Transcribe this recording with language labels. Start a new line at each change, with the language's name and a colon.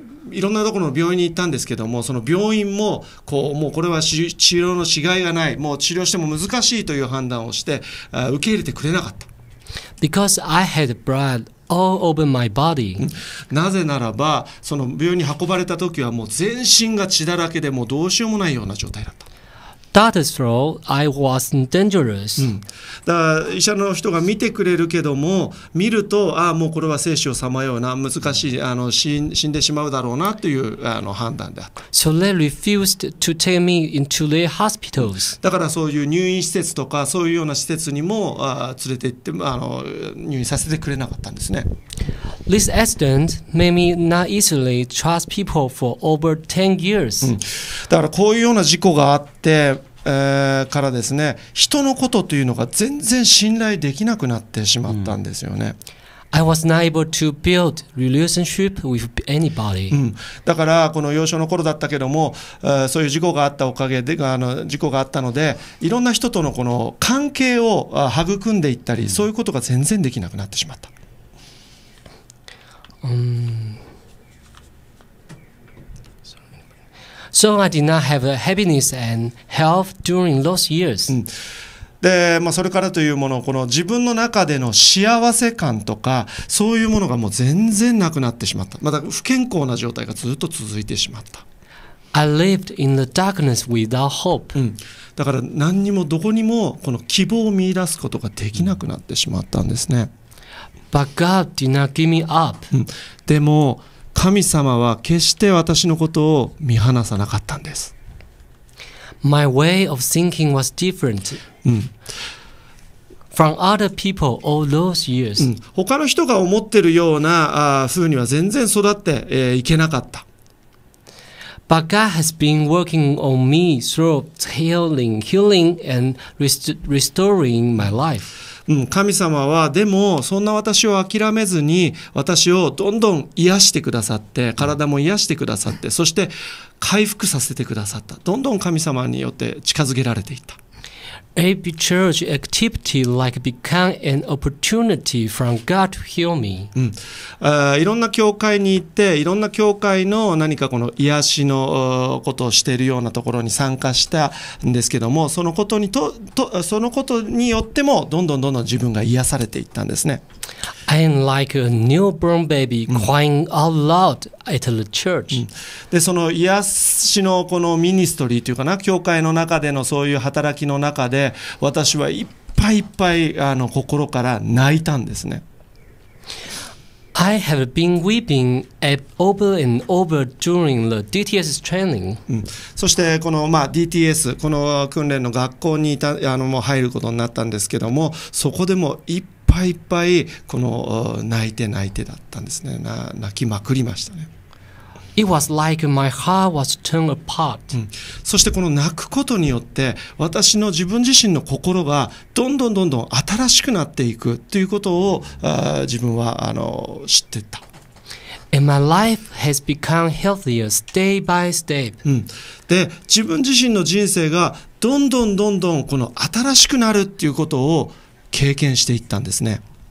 Japanese: いろんなところの病院に行ったんですけども、その病院ももうこれは治療のしがいがない、もう治療しても難しいという判断をして、受け入れてくれなかった。
English: Because I had blood all over my body.
Japanese: なぜならば、その病院に運ばれた時はもう全身が血だらけで、もうどうしようもないような状態だった。
English: That is true. I was dangerous.
Japanese: うん、だから医者の人が見てくれるけども、見ると、ああ、もうこれは生死をさまようよな、難しい、死んでしまうだろうなという判断であった。
English: So they refused to take me into their hospitals.
Japanese: だからそういう入院施設とか、そういうような施設にも連れて行って入院させてくれなかったんですね。
English: This accident made me not easily trust people for over 10 years.、
Japanese: うん、だからこういうような事故があって、からですね、人のことというのが全然信頼できなくなってしまったんですよね。うん、
English: I was not able to build relationship with anybody.、
Japanese: うん、だからこの幼少の頃だったけども、そういう事故があったおかげで、事故があったので、いろんな人とのこの関係を育んでいったり、うん、そういうことが全然できなくなってしまった。
English: So I did not have a happiness and health during those years.、
Japanese: うん、で、まあ、それからというもの、この自分の中での幸せ感とか、そういうものがもう全然なくなってしまった。また不健康な状態がずっと続いてしまった。
English: I lived in the darkness without hope.、
Japanese: うん、だから何にもどこにもこの希望を見出すことができなくなってしまったんですね。
English: But God did not give me up.
Japanese: でも神様は決して私のことを見放さなかったんです。
English: My way of thinking was different from other people all those years.
Japanese: 他の人が思ってるような風には全然育っていけなかった。
English: But God has been working on me through healing and restoring my life.
Japanese: うん、神様はでもそんな私を諦めずに、私をどんどん癒してくださって、体も癒してくださって、そして回復させてくださった。どんどん神様によって近づけられていった。
English: every church activity like become an opportunity from God to heal me、
Japanese: いろんな教会に行っていろんな教会の何かこの癒しのことをしているようなところに参加したんですけども、そのことにととそのことによってもどんどんどんどん自分が癒されていったんですね。
English: I'm like a newborn baby crying out loud at the church.
Japanese: で、その癒しのこのミニストリーというかな、教会の中でのそういう働きの中で、私はいっぱいいっぱいあの心から泣いたんですね。
English: I have been weeping over and over during the DTS training.、
Japanese: うん、そしてこの、まあ、DTS この訓練の学校にいたあのもう入ることになったんですけども、そこでもいっぱいいっぱいいっぱいこの泣いて泣いてだったんですね。泣きまくりましたね。
English: It was like my heart was torn apart.、
Japanese: うん、そしてこの泣くことによって私の自分自身の心がどんどんどんどん新しくなっていくということを自分はあの知ってった。
English: And my life has become healthier day by step.、
Japanese: うん、で自分自身の人生がどんどんどんどんこの新しくなるっていうことを経験していったんですね。